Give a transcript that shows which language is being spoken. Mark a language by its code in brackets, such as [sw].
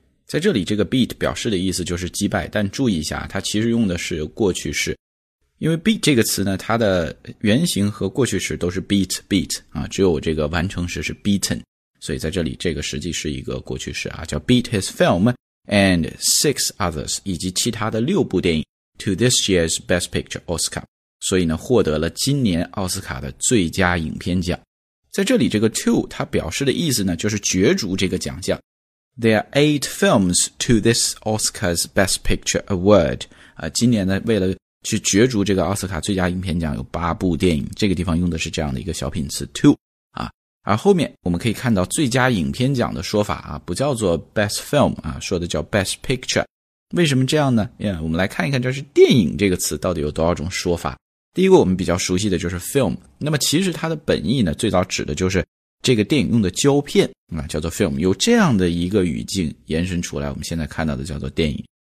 [zh] 在这里这个 beat 表示的意思就是击败，但注意一下它其实用的是过去式，因为 beat 这个词呢它的原型和过去式都是 beat beat 啊，只有这个完成式是 beaten, 所以在这里这个实际是一个过去式啊，叫 [en] beat his film and six others, [zh] 以及其他的六部电影 [en] to this year's best picture Oscar, [zh] 所以呢获得了今年奥斯卡的最佳影片奖。在这里这个 to 它表示的意思呢就是角逐这个奖项。 [en] There are 8 films to this Oscar's Best Picture Award. [zh] 今年呢为了去角逐这个奥斯卡最佳影片奖有8部电影，这个地方用的是这样的一个小品词 to, 啊。而后面我们可以看到最佳影片奖的说法啊，不叫做 Best Film 啊，说的叫 Best Picture。为什么这样呢？我们来看一看，就是电影这个词到底有多少种说法。第一个我们比较熟悉的就是 film， 那么其实它的本意呢，最早指的就是这个电影用的胶片啊，叫做 film， 由这样的一个语境延伸出来，我们现在看到的叫做电影。